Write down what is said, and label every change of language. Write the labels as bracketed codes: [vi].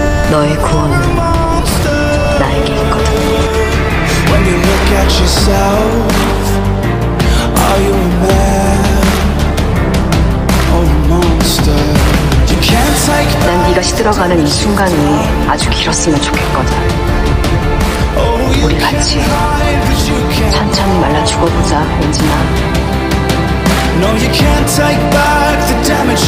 [ko] 너의 구원은 나에게 있거든. [en] When you look at yourself, are you a man or a monster? You can't take. [ko] 난 네가 시들어가는 이 순간이 아주 길었으면 좋겠거든. 우리 같이 천천히 말라 죽어보자, 은진아. [en] No, you can't take back the damage